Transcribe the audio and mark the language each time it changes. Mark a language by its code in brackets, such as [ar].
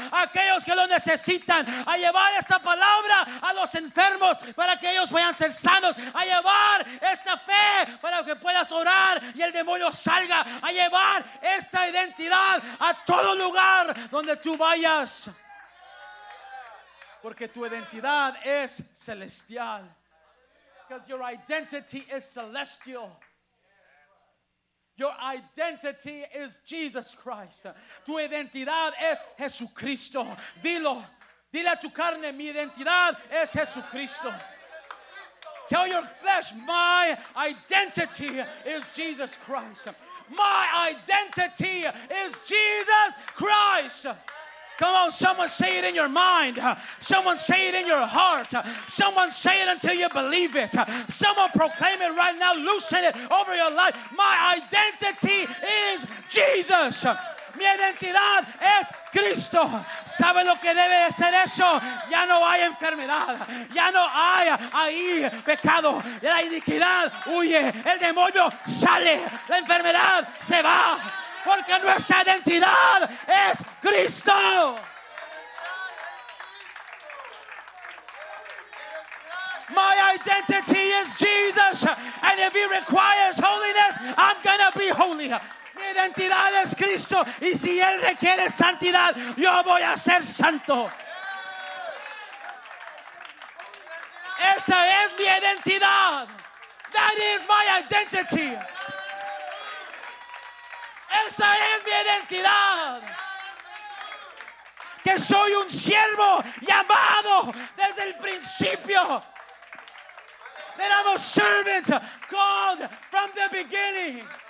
[es] a aquellos que lo necesitan, a llevar esta palabra a los enfermos para que ellos puedan ser sanos, a llevar esta fe para que puedas orar y el demonio salga, a llevar esta identidad a todo lugar donde tú vayas, porque tu identidad es celestial. [en] Because your identity is celestial. Your identity is Jesus Christ. [es] Tu identidad es Jesucristo. Dilo. Dile a tu carne: mi identidad es Jesucristo. [en] Tell your flesh: my identity is Jesus Christ. My identity is Jesus Christ. Come on, someone say it in your mind. Someone say it in your heart. Someone say it until you believe it. Someone proclaim it right now. Loosen it over your life. My identity is Jesus. [es] Mi identidad es Cristo. ¿Sabe lo que debe de ser eso? Ya no hay enfermedad. Ya no hay ahí pecado. La iniquidad huye. El demonio sale. La enfermedad se va. Porque nuestra identidad es Cristo. [en] My identity is Jesus. And if he requires holiness, I'm going to be holy. [es] Mi identidad es Cristo. Y si él requiere santidad, yo voy a ser santo. Esa es mi identidad. [en] That is my identity. [es] Esa es mi identidad. Que soy un siervo llamado desde el principio. [en] That I'm a servant called from the beginning.